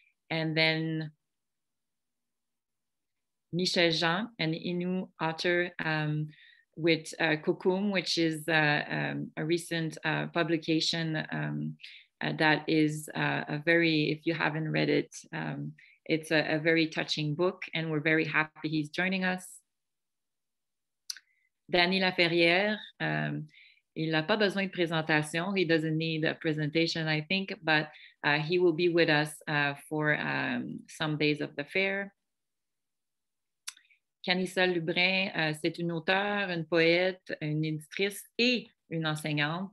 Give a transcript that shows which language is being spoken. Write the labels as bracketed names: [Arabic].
[English] And then Michel Jean, an Innu author with Cocoon, which is a recent publication that is a very, if you haven't read it, it's a very touching book, and we're very happy he's joining us. [French] Danny Laferrière, il n'a pas besoin de présentation. [English] He doesn't need a presentation, I think, but he will be with us for some days of the fair. [French] Canissa Lubrin, c'est une auteure, une poète, une éditrice et une enseignante.